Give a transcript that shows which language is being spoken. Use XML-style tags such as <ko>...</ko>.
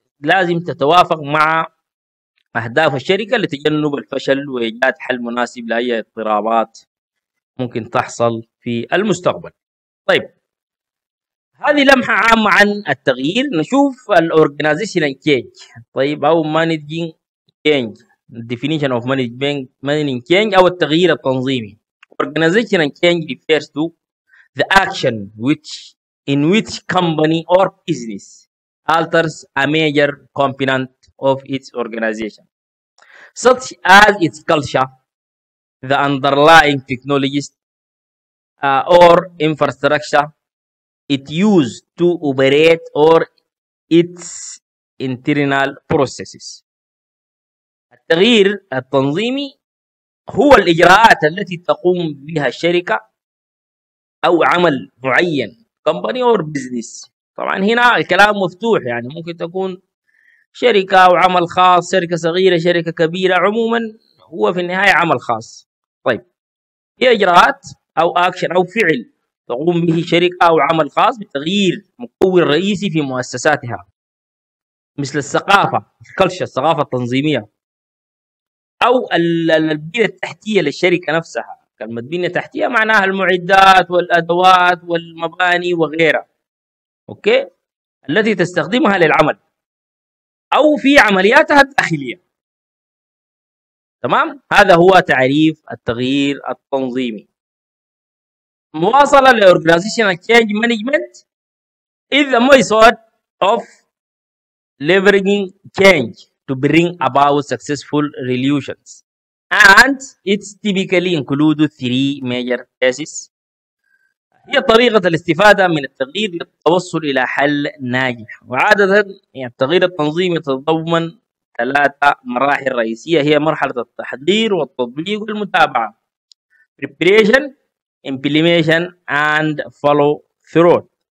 <ar>لازم تتوافق مع أهداف الشركة لتجنب الفشل وإيجاد حل مناسب لأي اضطرابات ممكن تحصل في المستقبل. طيب هذه لمحة عامة عن التغيير. نشوف الorganizational change. طيب أو managing change.</ar> <en>definition of managing change</en> <ar>أو التغيير التنظيمي.</ar> <en>organizational change refers to the action which in which company or business alters a major component of its organization, such as its culture, the underlying technologies, or infrastructure it used to operate or its internal processes.</en> <ar>التغيير التنظيمي هو الإجراءات التي تقوم بها الشركة أو عمل معين</ar> <en>company or business.</en> <ar>طبعا هنا الكلام مفتوح، يعني ممكن تكون شركة أو عمل خاص، شركة صغيرة، شركة كبيرة، عموما هو في النهاية عمل خاص. طيب هي إجراءات أو action أو فعل تقوم به شركة أو عمل خاص بتغيير مكون رئيسي في مؤسساتها مثل الثقافة الكلشة الثقافة التنظيمية أو البنية التحتية للشركة نفسها. كلمة بنية تحتية معناها المعدات والأدوات والمباني وغيرها، أوكي، التي تستخدمها للعمل أو في عملياتها الداخلية. تمام، هذا هو تعريف التغيير التنظيمي.</ar> <en>مواصلة للorganizational change management is the method of leveraging change to bring about successful resolutions, and it typically includes three major phases.</en> <ar>هي طريقة الاستفادة من التغيير للتوصل إلى حل ناجح. وعادة يعني التغيير التنظيمي يتضمن ثلاثة مراحل رئيسية، هي مرحلة التحضير والتطبيق والمتابعة</ar> <en>preparation implementation and follow through.</en>